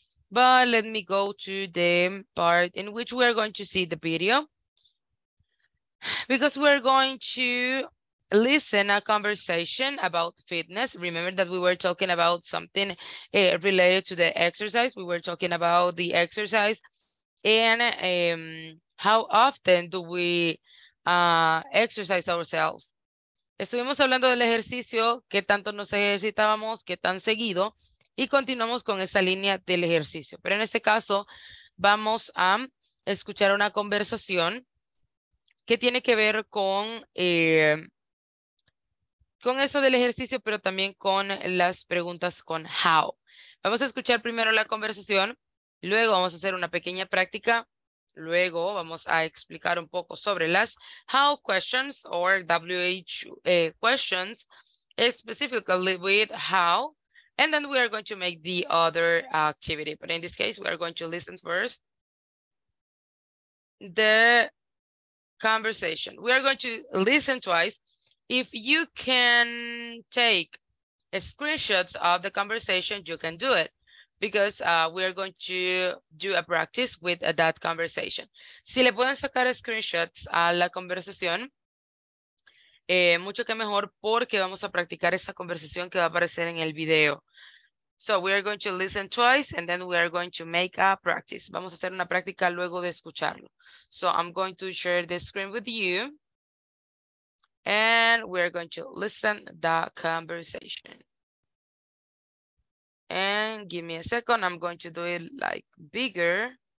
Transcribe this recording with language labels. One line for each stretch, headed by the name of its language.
English: But let me go to the part in which we are going to see the video, because we're going to listen a conversation about fitness. Remember that we were talking about something related to the exercise. We were talking about the exercise and how often do we exercise ourselves.
Spanish: Estuvimos hablando del ejercicio, qué tanto nos ejercitábamos, qué tan seguido, y continuamos con esa línea del ejercicio. Pero en este caso, vamos a escuchar una conversación que tiene que ver con eso del ejercicio, pero también con las preguntas con how. Vamos a escuchar primero la conversación, luego vamos a hacer una pequeña práctica. Luego vamos a explicar un poco sobre las
English: how questions or WH questions, specifically with how, and then we are going to make the other activity. But in this case, we are going to listen first the conversation. We are going to listen twice. If you can take screenshots of the conversation, you can do it, because we are going to do a practice with that conversation.
Spanish: Si le pueden sacar screenshots a la conversación, mucho que mejor, porque vamos a practicar esa conversación que va a aparecer en el video.
English: So we are going to listen twice and then we are going to make a practice.
Spanish: Vamos a hacer una práctica luego de escucharlo.
English: So I'm going to share the screen with you and we are going to listen the conversation. And give me a second, I'm going to do it like bigger.